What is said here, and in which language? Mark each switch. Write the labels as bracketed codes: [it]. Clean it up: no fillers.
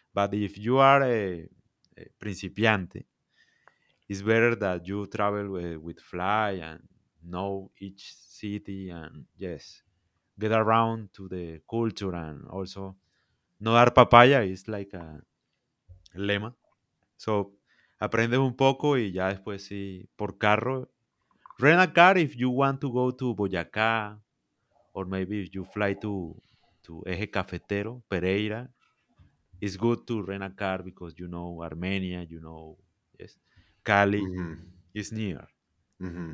[en] But if you are a principiante, it's better that you travel with fly and know each city and, yes, get around to the culture and also [es] no dar papaya [en] is like a lema. [es] So, aprende un poco y ya después sí, por carro. [en] Rent a car if you want to go to Boyacá, or maybe if you fly to Eje Cafetero, Pereira, it's good to rent a car because you know Armenia, you know, yes, Cali, is near. Mm-hmm.